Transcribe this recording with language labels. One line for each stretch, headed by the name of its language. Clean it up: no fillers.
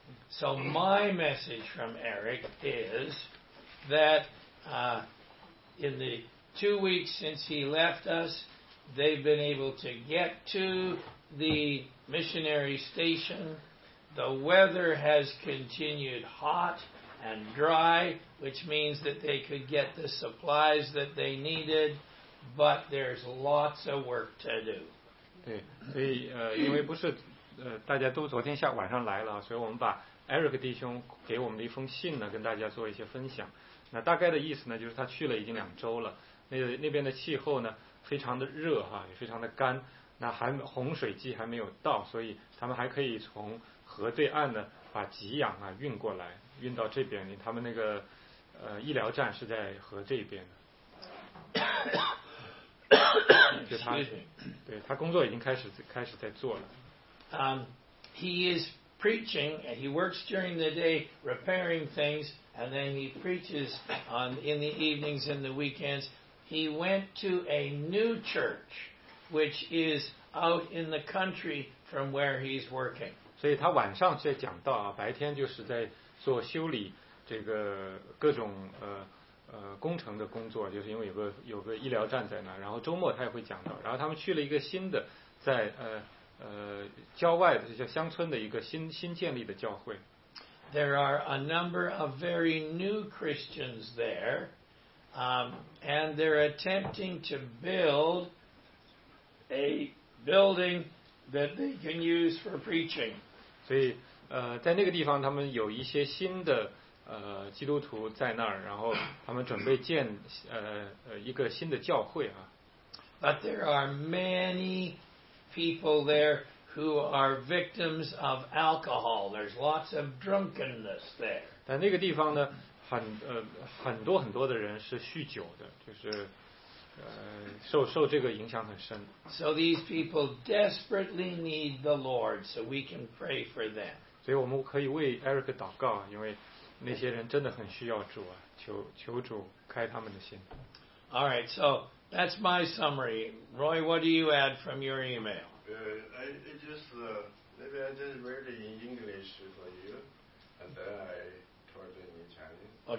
English: So my message from Eric is that in the 2 weeks since he left us, they've been able to get to the missionary station. The weather has continued hot and dry, which means that they could get the supplies that they needed, but there's lots of work to do.
Chinese: 对，所以因为不是大家都昨天下晚上来了，所以我们把Eric 弟兄给我们的一封信呢，跟大家做一些分享。那大概的意思呢，就是他去了已经2周了，那边的气候呢非常的热哈，也非常的干，那还洪水季还没有到，所以他们还可以从河对岸呢把给养啊运过来，运到这边，他们那个医疗站是在河这边的。就他，对，他工作已经开始在做了。
English: He is preaching, and he works during the day repairing things, and then he preaches in the evenings and the weekends. He went to a new church, which is out in the country from where he's working.
Chinese: 所以他晚上在讲道啊，白天就是在做修理这个各种工程的工作，就是因为有个医疗站在那，然后周末他也会讲道，然后他们去了一个新的在郊外的叫乡村的一个新建立的教会。
English: There are a number of very new Christians there, and they're attempting to build a building that they can use for preaching.
Chinese: 所以在那个地方他们有一些新的基督徒在那儿，然后他们准备建一个新的教会啊。
English: But there are many people there who are victims of alcohol. There's lots of drunkenness there.
Chinese: 但那个地方呢，很多很多的人是酗酒的，就是受这个影响很深。
English: So these people desperately need the Lord, so we can pray for them.
Chinese: 所以我们可以为 Eric 祷告，因为那些人真的很需要主啊，求主开他们的心。
English: All right, so that's my summary. Roy, what do you add from your email? Maybe I just read it in English for you, and then I told it in Chinese.